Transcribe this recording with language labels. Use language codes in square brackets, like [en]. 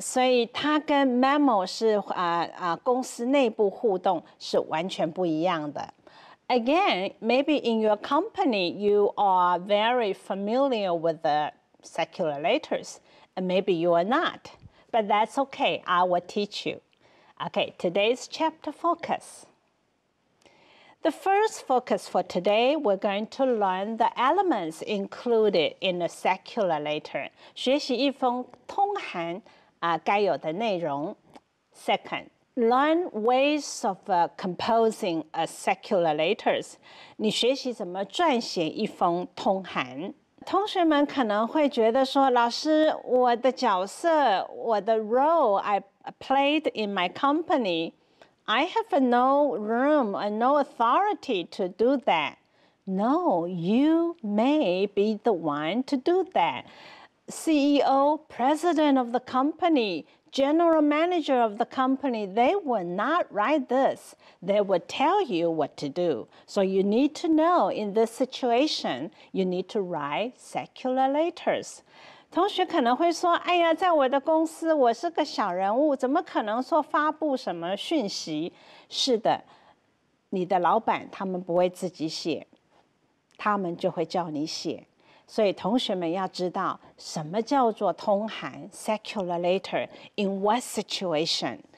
[zh] 所以它跟 memo 是公司内部互动是完全不一样的。 [en] Again, maybe in your company you are very familiar with the secular letters, and maybe you are not. But that's okay, I will teach you. Okay, today's chapter focus. The first focus for today, we're going to learn the elements included in a secular letter. [zh] 学习一封通函该有的内容。 [en] Second,Learn ways of composing a secular letters. [zh] 你学习怎么撰写一封通函。同学们可能会觉得说，老师，我的角色，我的 [en] role I played in my company, I have no room and no authority to do that. No, you may be the one to do that. CEO, president of the company,General manager of the company, they will not write this. They will tell you what to do. So you need to know in this situation, you need to write secular letters. [zh] 同学可能会说，哎呀，在我的公司，我是个小人物，怎么可能说发布什么讯息？是的，你的老板他们不会自己写，他们就会叫你写。所以同学们要知道什么叫做通函 [en] secular letter, in what situation?